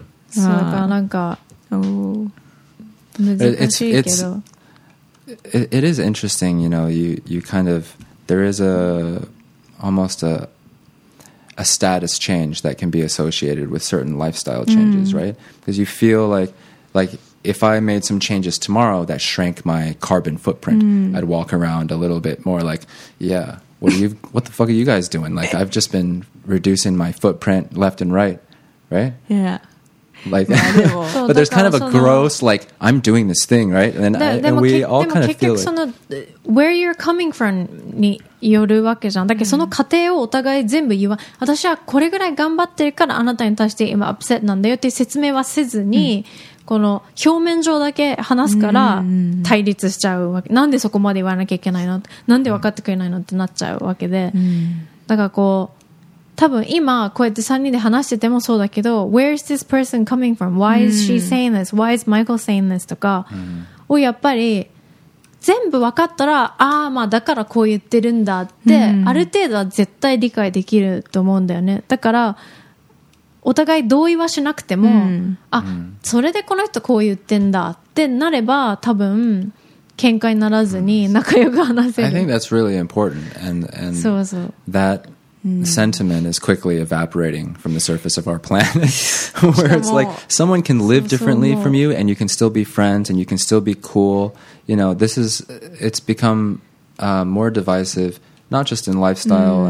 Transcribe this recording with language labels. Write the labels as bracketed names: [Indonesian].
[Japanese] そうだからなんか、難しいけど。 [English] It is interesting, you know, you kind of, there is a, almost a status change that can be associated with certain lifestyle changes,、mm. right? Because you feel like, if I made some changes tomorrow that shrank my carbon footprint,、mm. I'd walk around a little bit more like, yeah, what the fuck are you guys doing? Like, I've just been...reducing my footprint left and right, right? Yeah. Like, but there's kind of a gross, like, I'm doing this thing, right? And, I, and we all kind of feel it. Where you're coming from [Japanese] によるわけじゃん。だけどその過程をお互い全部言わ、うん、私はこれぐらい頑張ってるからあなたに対して今アップセットなんだよっていう説明はせずに、うん、この表面上だけ話すから対立しちゃうわけ、うん、なんでそこまで言わなきゃいけないの、なんで分かってくれないのってなっちゃうわけで、うん、だからこう多分今こうやって3人で話しててもそうだけど [English] Where is this person coming from? Why is she saying this? Why is Michael saying this? [Japanese] とかをやっぱり全部分かったら、ああまあだからこう言ってるんだって、うん、ある程度は絶対理解できると思うんだよね。だからお互い同意はしなくても、うん、あ、うん、それでこの人こう言ってんだってなれば多分喧嘩にならずに仲良く話せる。 [English] I think that's really important, and [Japanese] そうそう [English] that sentiment is quickly evaporating from the surface of our planet, where it's like someone can live differently from you, and you can still be friends, and you can still be cool. You know, this is, it's become、more divisive, not just in lifestyle、mm.